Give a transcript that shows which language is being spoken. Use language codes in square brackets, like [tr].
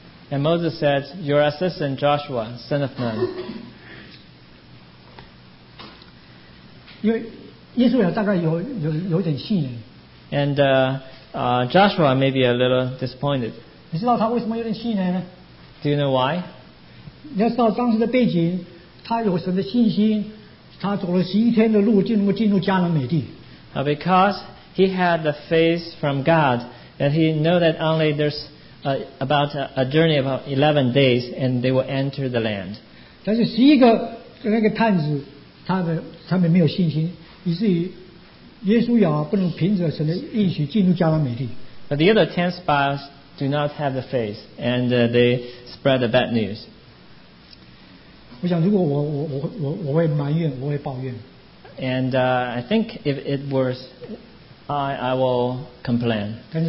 [en] And Moses said, your assistant Joshua, son of Nun. [zh] 因为耶稣亚大概有点气馁。 [en] And Joshua may be a little disappointed. [zh] 你知道他为什么有点气馁呢? [en] Do you know why? [zh] 你要知道当时的背景, 他有神的信心, 他走了11天的路进入迦南美地。 [en] Because he had the faith from God, and he knew that only there's about a journey of 11 days, and they will enter the land. [zh] 但是11个那个探子, 他们没有信心。 [en] But the other 10 spies do not have the faith, and they spread the bad news. And I think if it were, I will complain.